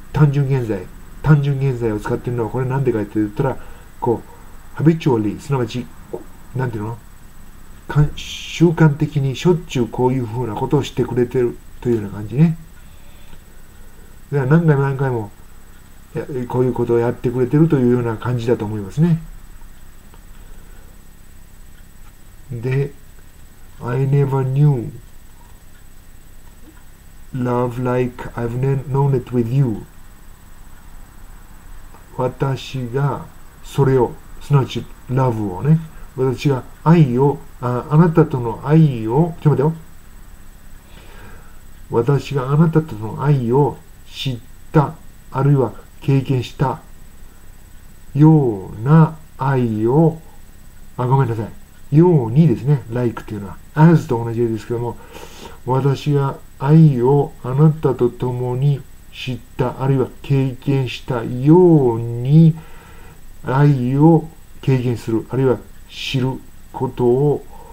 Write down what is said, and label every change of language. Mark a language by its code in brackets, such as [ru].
[ja] 単純現在を使っているのはこれなんでかって言ったら、こうハビチュアリー、すなわちなんていうの、習慣的にしょっちゅうこういうふうなことをしてくれてるというような感じね。だから何回もこういうことをやってくれてるというような感じだと思いますね。 [en] で、I never knew love like I've known it with you。 [ja] 私がそれを、すなわち love をね、私が愛を、 あなたとの愛を、ちょっと待てよ、私があなたとの愛を知ったあるいは経験したような愛を、あ、ごめんなさい、ようにですね、 like というのは as と同じですけども、私が愛をあなたと共に知ったあるいは経験したように愛を経験するあるいは知ることを